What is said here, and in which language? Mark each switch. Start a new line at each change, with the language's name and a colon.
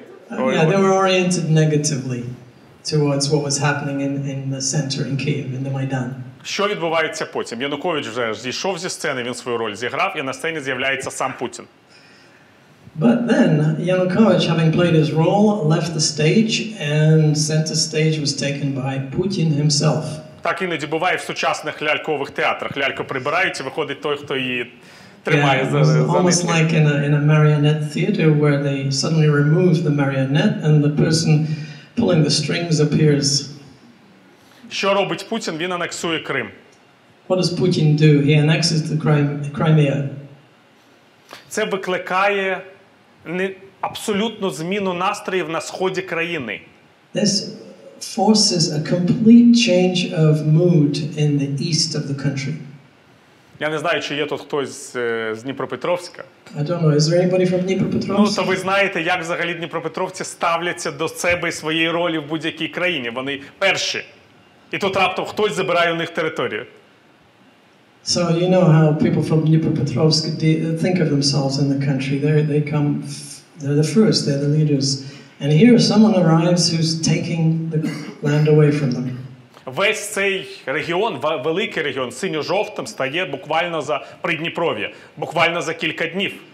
English: They were oriented negatively towards what was happening in the center in Kyiv, in the Maidan.
Ukrainian: Що відбувається потім? Янукович вже зійшов зі сцени, він свою роль зіграв, і на сцені з'являється сам Путін.
English: But then Yanukovych, having played his role, left the stage and center stage was taken by Putin himself.
Ukrainian: Так іноді буває в сучасних лялькових театрах. Лялька прибирається, виходить той, хто її тримає за нитки.
English: Almost like in a marionette theater where they suddenly remove the marionette and the person pulling the strings appears.
Ukrainian: Що робить Путін? Він анексує Крим.
English: What does Putin do? He annexes the Crimea.
Ukrainian: Це викликає абсолютну зміну настроїв на сході країни.
English: This forces a complete change of mood in the east of the country.
Ukrainian: Я не знаю, чи є тут хтось з Дніпропетровська.
English: I don't know, is there anybody from Dnipropetrovsk?
Ukrainian: Ну, то ви знаєте, як взагалі дніпропетровці ставляться до себе і своєї ролі в будь-якій країні. Вони перші. І тут раптом хтось забирає у них територію.
English: So you know how people from Dnipropetrovsk think of themselves in the country. They're the first, they're the leaders. And here someone arrives who's taking the land away from them.
Ukrainian: Весь цей регіон, великий регіон, синьо-жовтим, стає буквально за Придніпров'я, буквально за кілька днів.